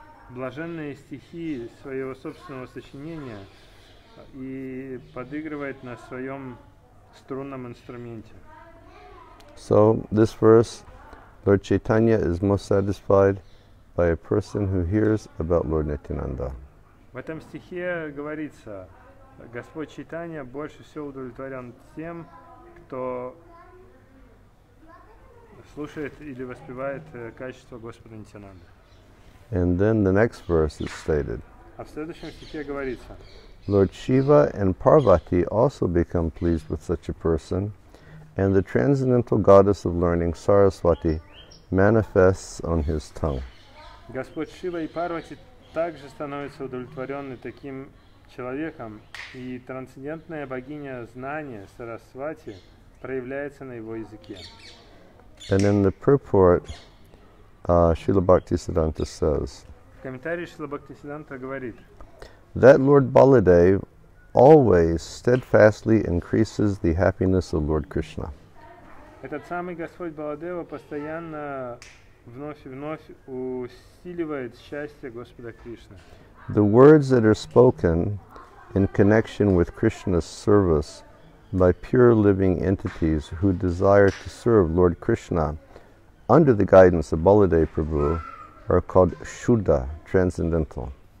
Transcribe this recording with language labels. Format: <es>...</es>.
<ru>блаженные стихи своего собственного сочинения и подыгрывает на своем струнном инструменте.</ru> <en>So this verse, Lord Chaitanya is most satisfied by a person who hears about Lord Nityananda.</en> <ru>В этом стихе говорится, Господь Чайтанья больше всего удовлетворен тем, кто слушает или воспевает качество Господа Нитянанды.</ru> <en>And then the next verse is stated.</en> <ru>А в следующем стихе говорится.</ru> <en>Lord Shiva and Parvati also become pleased with such a person, and the transcendental goddess of learning, Saraswati, manifests on his tongue.</en> <ru>Господь Шива и Парвати также становятся удовлетворены таким человеком, и трансцендентная богиня знания, Сарасвати, проявляется на его языке.</ru> <en>And in the purport, Srila Bhaktisiddhanta says,</en> <ru>в комментарии Шрила Бхактисиддханта говорит,</ru> <en>that Lord Baladev always steadfastly increases the happiness of Lord Krishna.</en> <ru>Этот самый Господь Баладева постоянно вновь и вновь усиливает счастье Господа Кришны.</ru> <en>The words that are spoken in connection with Krishna's service by pure living entities who desire to serve Lord Krishna under the guidance of Baladev Prabhu are called Shuddha, transcendental.</en>